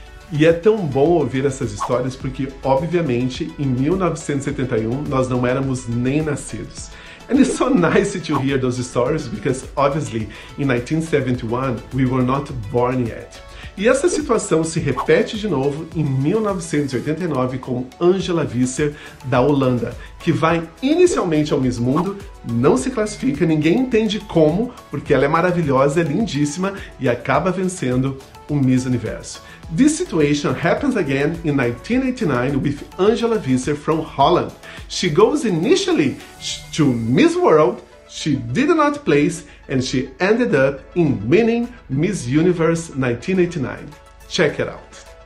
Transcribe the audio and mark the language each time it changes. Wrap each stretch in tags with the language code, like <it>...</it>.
<pt>E é tão bom ouvir essas histórias porque, obviamente, em 1971, nós não éramos nem nascidos.</pt> <en>And it's so nice to hear those stories because, obviously, in 1971, we were not born yet.</en> <pt>E essa situação se repete de novo em 1989 com Angela Visser, da Holanda, que vai inicialmente ao Miss Mundo, não se classifica, ninguém entende como, porque ela é maravilhosa, é lindíssima e acaba vencendo o Miss Universo.</pt> <en>This situation happens again in 1989 with Angela Visser from Holland. She goes initially to Miss World, she did not place, and she ended up in winning Miss Universe 1989. Check it out.</en>